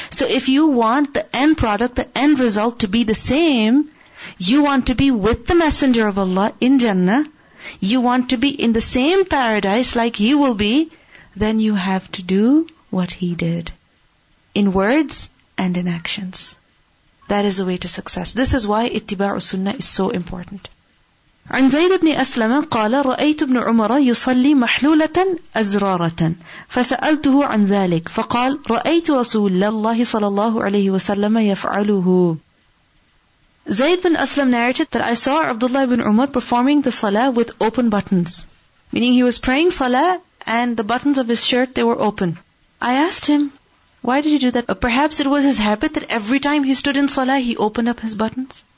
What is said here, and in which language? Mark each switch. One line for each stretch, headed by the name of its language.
English: So if you want the end product, the end result to be the same, you want to be with the Messenger of Allah in Jannah, you want to be in the same paradise like he will be, then you have to do what he did. In words and in actions. That is the way to success. This is why ittiba'u sunnah is so important.
Arabic: عن زيد بن أسلم قال رأيت ابن عمر يصلي محلولة أزرارة فسألته عن ذلك فقال رأيت رسول الله صلى الله عليه وسلم يفعله.
English: Zayd bin Aslam narrated that I saw Abdullah ibn Umar performing the salah with open buttons. Meaning he was praying salah and the buttons of his shirt, they were open. I asked him, why did you do that? Perhaps it was his habit that every time he stood in salah, he opened up his buttons.